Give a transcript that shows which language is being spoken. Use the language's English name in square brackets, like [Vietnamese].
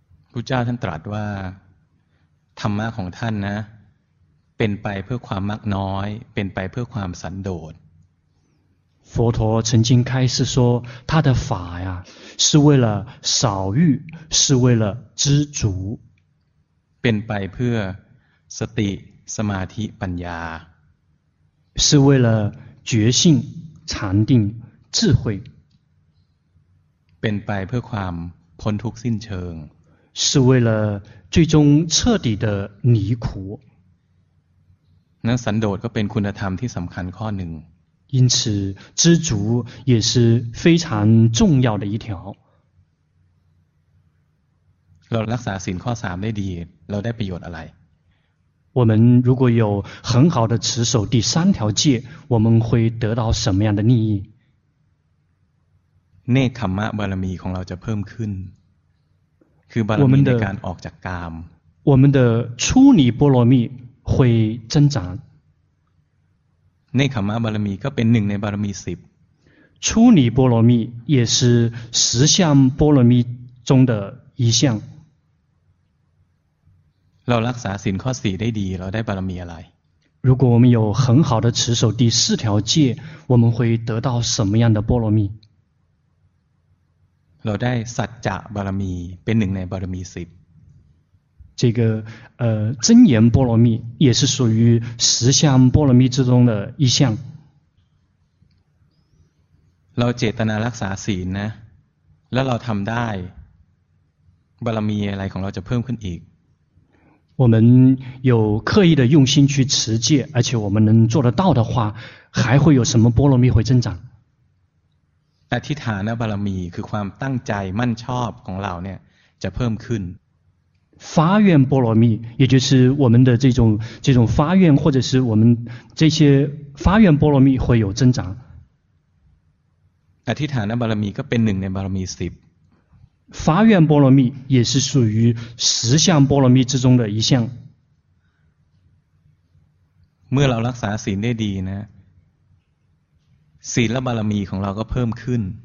[Chinese] 佛教 [Thai] ท่านตรัสว่าธรรมะของท่านนะเป็นไปเพื่อความมักน้อยเป็นไปเพื่อความสันโดษ [Chinese] 佛陀曾经开示说他的法呀是为了少欲是为了知足 [Thai] เป็นไปเพื่อสติสมาธิปัญญา [Chinese] 是为了觉性禅定智慧 [Thai] เป็นไปเพื่อความพ้นทุกข์สิ้นเชิง [Chinese] 是为了最终彻底的离苦 [Thai] 那สันโดษก็เป็นคุณธรรมที่สำคัญข้อหนึ่ง [Chinese] 因此知足也是非常重要的一条 [Thai] เรารักษาศีลข้อ3ได้ดีเราได้ประโยชน์อะไร [Chinese] 我们如果有很好的持守第三条戒我们会得到什么样的利益 [Thai] เนคขัมมะบารมีของเราจะเพิ่มขึ้นคือบารมีในการออกจากกาม [Chinese] 我们的出离波罗蜜会增长 [Thai] เนคขัมมะบารมีก็เป็นหนึ่งในบารมี10 [Chinese] 出离波罗蜜也是十项波罗蜜中的一项 [Thai] เรารักษาศีลข้อ4ได้ดีเราได้บารมีอะไร [Chinese] 如果我们有很好的持守第四条戒我们会得到什么样的波罗蜜 [Thai] เราได้สัจจะบารมีเป็นหนึ่งในบารมี10 [Chinese] 这个真言波罗蜜也是属于十项波罗蜜之中的一项 [Thai] เราเจตนารักษาศีลนะแล้วเราทำได้บารมีอะไรของเราจะเพิ่มขึ้นอีก [Chinese] 我们有刻意的用心去持戒而且我们能做得到的话还会有什么波罗蜜会增长 [Thai] อธิฐานบารมีคือความตั้งใจมั่นชอบของเราเนี่ยจะเพิ่มขึ้น [Chinese] 发愿波罗蜜也就是我们的这种发愿或者是我们这些发愿波罗蜜会有增长 [Thai] อธิฐานบารมีก็เป็นหนึ่งในบารมี10 [Chinese] 发愿波罗蜜也是属于十项波罗蜜之中的一项 [Thai] เมื่อเรารักษาศีลได้ดีนะศีลและบารมีของเราก็เพิ่มขึ้น